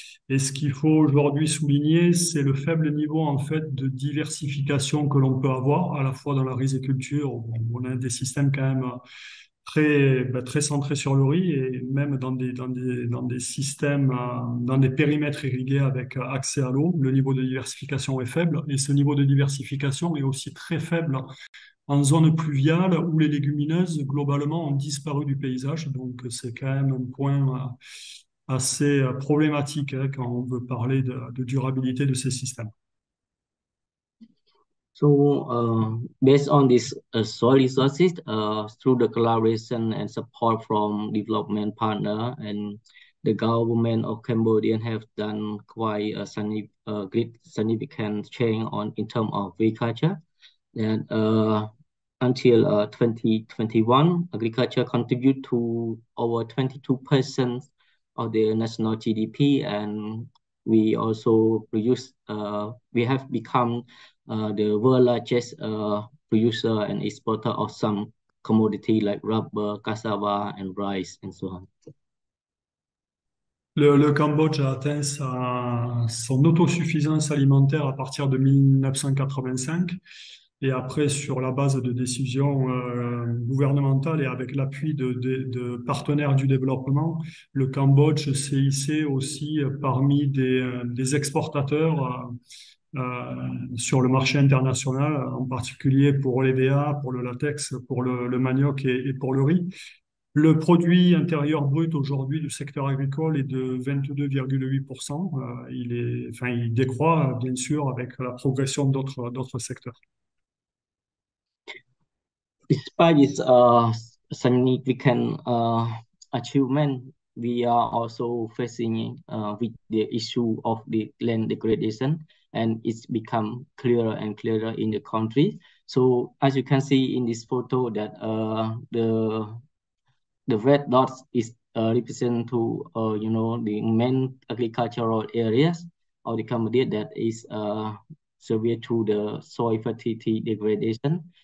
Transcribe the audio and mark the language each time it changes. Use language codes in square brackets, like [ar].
[fr] Et ce qu'il faut aujourd'hui souligner, c'est le faible niveau en fait de diversification que l'on peut avoir à la fois dans la riziculture, où on a des systèmes quand même très centrés sur le riz et même dans des systèmes, dans des périmètres irrigués avec accès à l'eau, le niveau de diversification est faible et ce niveau de diversification est aussi très faible en zone pluviale où les légumineuses globalement ont disparu du paysage. Donc c'est quand même un point assez problématique quand on veut parler de durabilité de ces systèmes. [en] So, based on this soil resources, through the collaboration and support from development partner and the government of Cambodia have done quite a great significant change on in terms of agriculture. And until 2021, agriculture contribute to over 22% of the national GDP, and we also produce. We have become the world largest producer and exporter of some commodity like rubber, cassava, and rice, and so on. [fr] Le Cambodge a atteint son autosuffisance alimentaire à partir de 1985. Et après, sur la base de décisions gouvernementales et avec l'appui de partenaires du développement, le Cambodge s'est hissé aussi parmi des exportateurs sur le marché international, en particulier pour l'EVA, pour le latex, pour le manioc et pour le riz. Le produit intérieur brut aujourd'hui du secteur agricole est de 22,8%. Il décroît, bien sûr, avec la progression d'autres secteurs. [en] Despite this significant achievement, we are also facing with the issue of the land degradation, and it's become clearer and clearer in the country. So as you can see in this photo that the red dots is represent to you know the main agricultural areas of the Cambodia that is severe to the soil fertility degradation.